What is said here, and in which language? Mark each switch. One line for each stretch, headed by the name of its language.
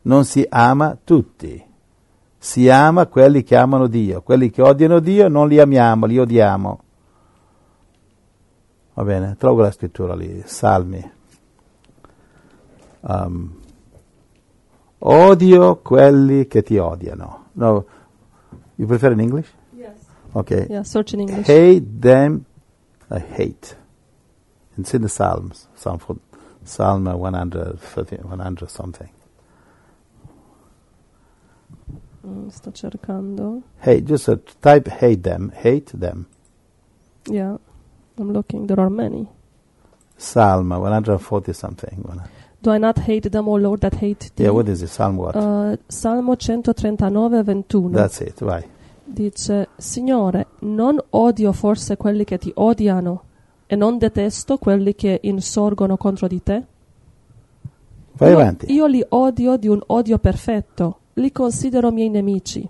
Italian: Non si ama tutti. Si ama quelli che amano Dio. Quelli che odiano Dio non li amiamo, li odiamo. Va bene, trovo la scrittura lì, Salmi. Odio quelli che ti odiano.
English: No, you prefer in English? Yes. Okay. Yeah, search in English. Hate them, I hate. It's in the Psalms, Psalm 100 something.
Italian: Sto cercando.
English: Hey, just type hate them, hate them. Yeah. I'm looking, there are many. Psalm 140 something. Do I not hate them, O Lord, that hate thee? Yeah, what is it? Psalm what?
Italian: Salmo 139:21.
English: That's it, vai.
Italian: Dice, Signore, non odio forse quelli che ti odiano, e non detesto quelli che insorgono contro di te? Vai avanti. Io li odio di un odio perfetto, li considero miei nemici.